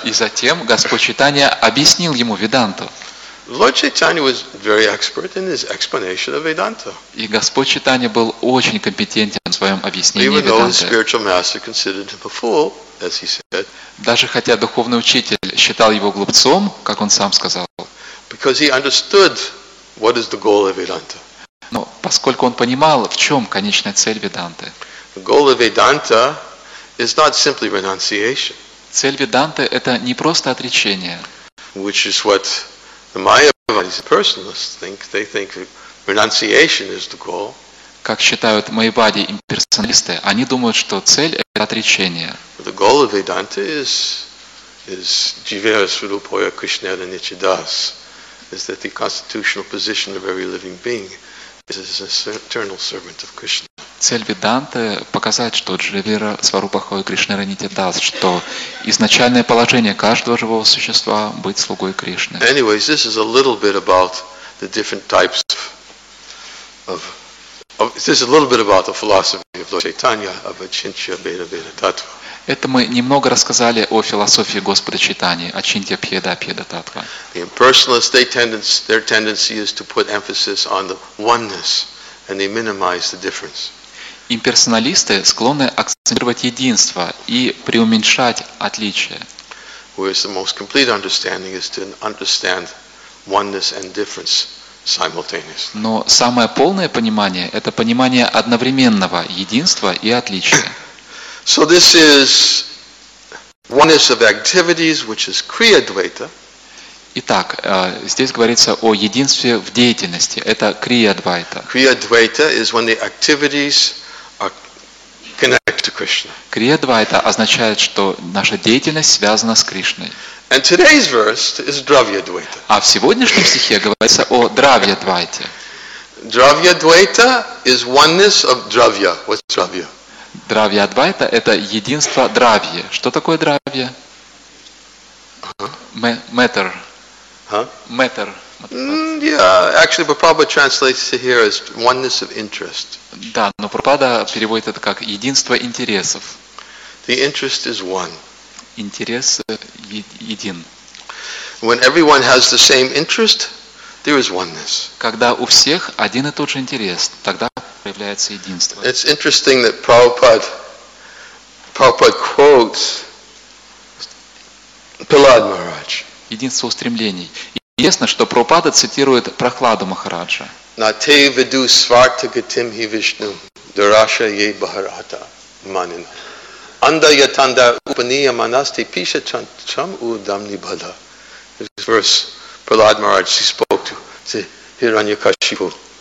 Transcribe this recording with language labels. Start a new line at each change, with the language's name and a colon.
Russian: И затем Господь Чайтанья объяснил ему Веданту.
English: Lord Chaitanya was very expert in his explanation of Vedanta.
Russian: И Господь Чайтанья был очень компетентен в своем объяснении Веданты.
English: Even though his spiritual master considered him a fool, as he said.
Russian: Даже хотя духовный учитель считал его глупцом, как он сам сказал.
English: Because he understood what is the goal of Vedanta.
Russian: Но поскольку он понимал, в чем конечная цель Веданты.
English: The goal of Vedanta is not simply renunciation.
Russian: Цель Веданты – это не просто отречение.
English: Which is what the Mayavadis impersonalists think. They think renunciation is the goal.
Russian: Как считают Майявади имперсоналисты, они думают, что цель – это отречение.
English: The goal of Vedanta is
Sanskrit: Jivera Svarupoya Krishnera Nityadas.
English: Is that the constitutional position of every living being is as an eternal servant of Krishna.
Russian: Цель Веданты – показать, что
Sanskrit: Дживера Сварупахой Кришнера Нитидас,
Russian: что изначальное положение каждого живого существа – быть слугой Кришны.
English: Anyways, this is a little bit about the different types of this is a little bit about the philosophy of Lord Chaitanya, of Achintya Bheda Bheda Tattva.
Russian: Это мы немного рассказали о философии Господа Чайтаньи, Ачинтья Пхеда Пхеда Таттва.
English: The impersonalists, their tendency is to put emphasis on the oneness, and they minimize the difference.
Russian: Имперсоналисты склонны акцентировать единство и преуменьшать отличия.
English: Whereas the most complete understanding is to understand oneness and difference simultaneously.
Russian: Но самое полное понимание – это понимание одновременного единства и отличия.
English: So this is oneness of activities, which is Kriya Dvaita.
Russian: Итак, здесь говорится о единстве в деятельности. Это Kriya Dvaita.
English: Kriya Dvaita is when the activities Krishna.
Russian: Криядвайта означает, что наша деятельность связана с Кришной.
English: And today's verse is Дравьядвайта.
Russian: А в сегодняшнем стихе говорится о Дравьядвайте.
English: Дравьядвайта is oneness of Дравья. What's Дравья?
Russian: Дравьядвайта – это единство Дравья. Что такое Дравья?
English: Matter. Matter. Actually, Prabhupada translates it here as oneness of interest.
Russian: Да, но Прабхупада переводит это как единство интересов.
English: The interest is one.
Russian: Интерес един.
English: When everyone has the same interest, there is oneness.
Russian: Когда у всех один и тот же интерес, тогда проявляется единство.
English: It's interesting that Prabhupada quotes Prahlad Maharaj.
Russian: Единство устремлений. Интересно, что Прабхупада цитирует Прахладу Махараджа.
Sanskrit: Нате веду сварта гатим хи вишну, дараша ей бхарата манин. Анда ятанда упания манасти пиша чам удамни бхада.
English: This verse Прахлад Махарадж spoke to Хираньякашипу.